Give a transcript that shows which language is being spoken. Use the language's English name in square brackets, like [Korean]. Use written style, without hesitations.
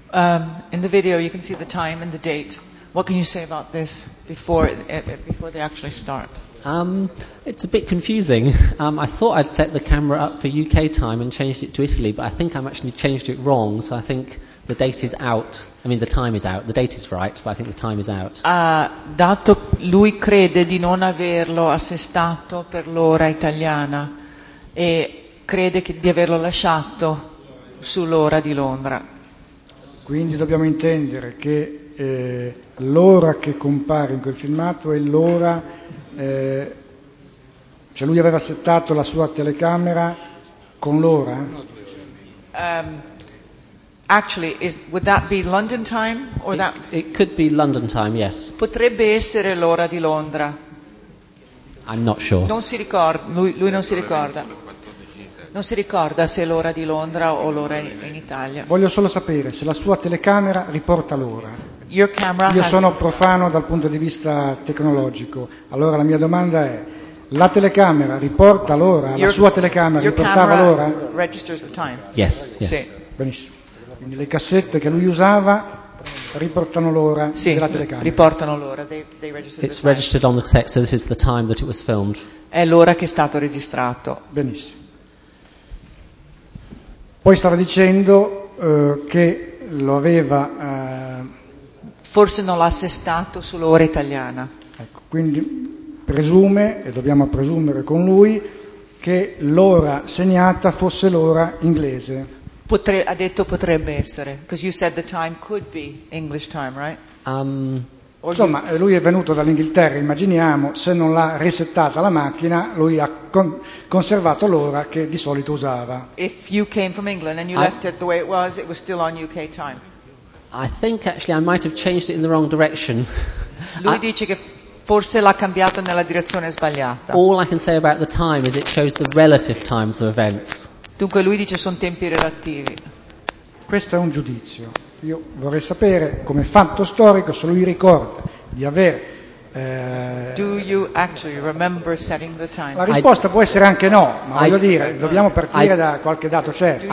[English] In the video you can see the time and the date. What can you say about this before they actually start? It's a bit confusing. I thought I'd set the camera up for UK time and changed it to Italy, but I think I've actually changed it wrong, so I think the date is out. I mean, the time is out. The date is right, but I think the time is out. [Italian] Dato lui crede di non averlo assestato per l'ora italiana e crede che di averlo lasciato sull'ora di Londra. Quindi dobbiamo intendere che l'ora che compare in quel filmato è l'ora, cioè lui aveva settato la sua telecamera con l'ora? [English] Actually, would that be London time or that? It could be London time, yes. [Italian] Potrebbe essere l'ora di Londra. [English] I'm not sure. [Italian] Non si ricorda, lui non si ricorda. Non si ricorda se è l'ora di Londra o l'ora in Italia. Voglio solo sapere se la sua telecamera riporta l'ora. [English] Your camera. [Italian] Io sono profano dal punto di vista tecnologico. Allora la mia domanda è: la telecamera riporta l'ora? La sua telecamera riportava l'ora? [English] Registers the time. Yes, yes. [Italian] Sì. Benissimo. Quindi le cassette che lui usava riportano l'ora, sì, della telecamera. Sì, riportano l'ora. [English] They register the time. It's registered on the cassette, so this is the time that it was filmed. [Italian] È l'ora che è stato registrato. Benissimo. Poi stava dicendo che lo aveva... Forse non l'ha assestato sull'ora italiana. Ecco, quindi presume, e dobbiamo presumere con lui, che l'ora segnata fosse l'ora inglese. Ha detto potrebbe essere, [English] because you said the time could be English time, right? [Italian] Insomma, lui è venuto dall'Inghilterra, immaginiamo, se non l'ha resettata la macchina, lui ha conservato l'ora che di solito usava. [English] If you came from England and you left it the way it was still on UK time. I think actually I might have changed it in the wrong direction. [Italian] Lui dice che forse l'ha cambiato nella direzione sbagliata. [English] All I can say about the time is it shows the relative times of events. [Italian] Dunque lui dice sono tempi relativi. Questo è un giudizio. Io vorrei sapere, come fatto storico, se lui ricorda di aver... [English] Do you actually remember setting the time? [Italian] La risposta può essere anche no, ma voglio dire, dobbiamo partire da qualche dato certo.